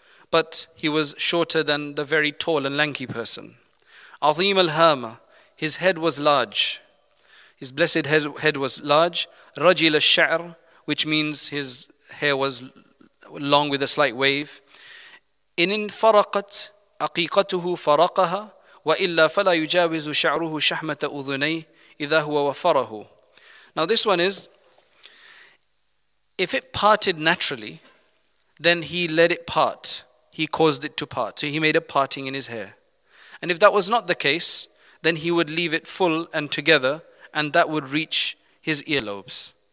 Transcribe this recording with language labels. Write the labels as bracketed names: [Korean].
[English] But he was shorter than the very tall and lanky person. [Arabic] عظيم الهامة. [English] His head was large. His blessed head was large. [Arabic] رجل الشعر, [English] which means his hair was long with a slight wave. [Arabic] إن فرقت عقيقته فرقها وإلا فلا يجاوز شعره شحمة أذنيه إذا هو وفره. [English] Now this one is, if it parted naturally, then he let it part. He caused it to part. So he made a parting in his hair. And if that was not the case, then he would leave it full and together, and that would reach his earlobes.